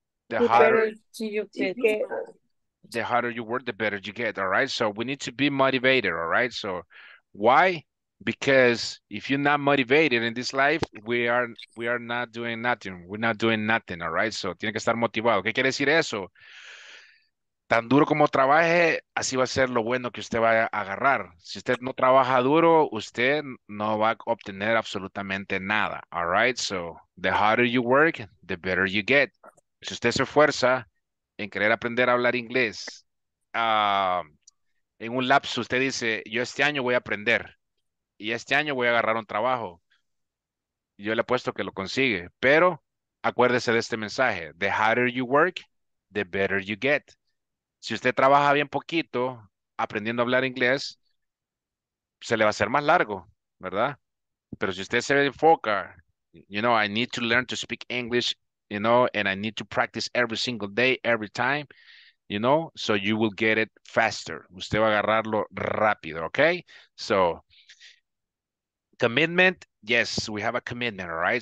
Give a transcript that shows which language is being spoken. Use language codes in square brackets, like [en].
[en] The harder you work, the better you get, all right? So we need to be motivated, all right? So why? Because if you're not motivated in this life, we are not doing nothing. We're not doing nothing, all right? So, [es] tiene que estar motivado. ¿Qué quiere decir eso? Tan duro como trabaje, así va a ser lo bueno que usted va a agarrar. Si usted no trabaja duro, usted no va a obtener absolutamente nada, all right? [en] So, the harder you work, the better you get. [es] Si usted se esfuerza en querer aprender a hablar inglés, en un lapso usted dice, yo este año voy a aprender. Y este año voy a agarrar un trabajo. Yo le apuesto que lo consigue. Pero acuérdese de este mensaje. [en] The harder you work, the better you get. [es] Si usted trabaja bien poquito aprendiendo a hablar inglés, se le va a hacer más largo, ¿verdad? Pero si usted se enfoca, [en] you know, I need to learn to speak English, you know, and I need to practice every single day, every time, you know, so you will get it faster. [es] Usted va a agarrarlo rápido, [en] okay? So, commitment, yes, we have a commitment, all right?